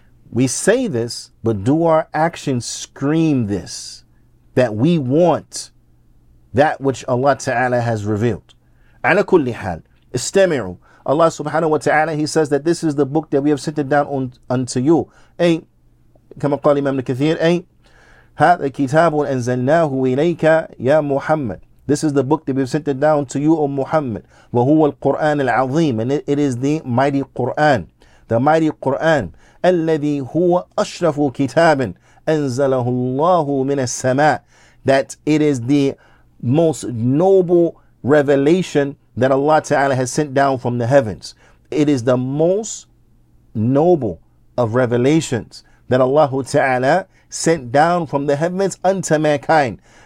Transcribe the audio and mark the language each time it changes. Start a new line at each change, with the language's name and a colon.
English: We say this, but do our actions scream this? That we want that which Allah Ta'ala has revealed. Ala kulli hal, istami'u. Allah Subhanahu wa Ta'ala, He says that this is the book that we have sent it down unto you.
Arabic: كما قال الإمام الكثير أي هذا كتاب أنزلناه إليك يا محمد.
English: This is the book that we've sent it down to you, O Muhammad.
Arabic: وهو القرآن العظيم.
English: And it is the mighty Quran. The mighty Quran.
Arabic: الذي هو أشرف كتاب أنزله الله من السماء.
English: That it is the most noble revelation that Allah Ta'ala has sent down from the heavens. It is the most noble of revelations that Allah Ta'ala sent down from the heavens unto mankind.